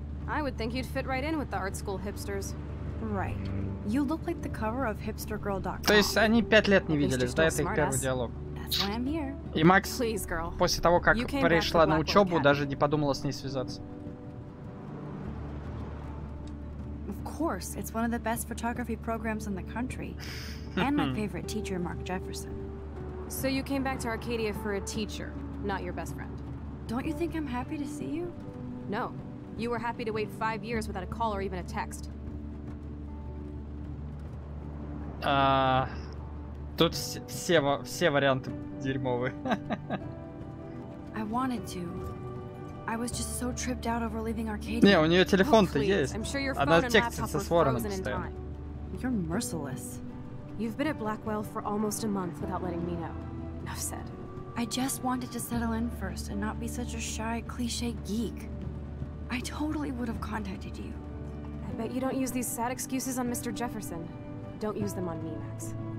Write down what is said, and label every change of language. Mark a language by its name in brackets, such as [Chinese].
[English] I would think you'd fit right in with the art school hipsters. Right. You look like the cover of hipstergirl.com. [Russian] То есть они 5 лет не виделись, да, это их первый диалог. [English] That's why I'm here. И Макс, please, girl. [Russian] После того, как пришла на учебу, даже не подумала с ней связаться. [English] Of course, it's one of the best photography programs in the country. And my favorite teacher, Mark Jefferson. So you came back to Arcadia for a teacher, not your best friend. Don't you think I'm happy to see you? No. You were happy to wait 5 years without a call or even a text. [Russian] Тут все варианты дерьмовые. [English] I wanted to. I was just so tripped out over leaving Arcadia. [Russian] Не, у нее телефон-то oh, есть. [English] I'm sure your [Russian] Она текстится с Вороном постоянно. [English] You're merciless. You've been at Blackwell for almost a month without letting me know. Enough said. I just wanted to settle in first and not be such a shy, cliche geek. I totally would have contacted you. I bet you don't use these sad excuses on Mr. Jefferson. Don't use them on me, Max.